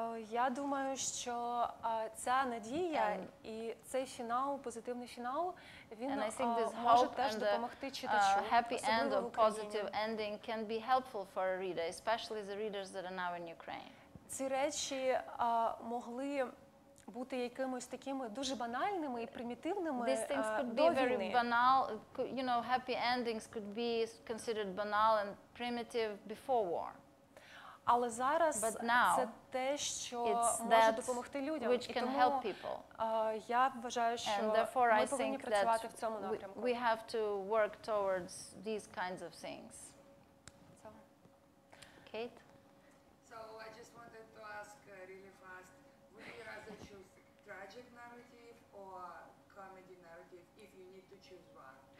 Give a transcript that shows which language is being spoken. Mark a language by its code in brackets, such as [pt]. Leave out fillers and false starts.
[uk] Я думаю, що ця надія і цей фінал, позитивний фінал, він може теж допомогти читачу. [en] Happy end or positive ending can be helpful for a reader, especially the readers that are now in Ukraine. [uk] Ці речі могли бути якимось такими дуже банальними і примітивними. [en] These things could be very banal, you know, happy endings could be considered banal and primitive before war. [uk] Але зараз це те, що може допомогти людям. [en] Which can help people. [uk] Я вважаю, що ми повинні працювати в цьому напрямку. [en] We have to work towards these kinds of things. Kate? So I just wanted to ask really fast, would you rather choose tragic narrative or comedy narrative if you need to choose one?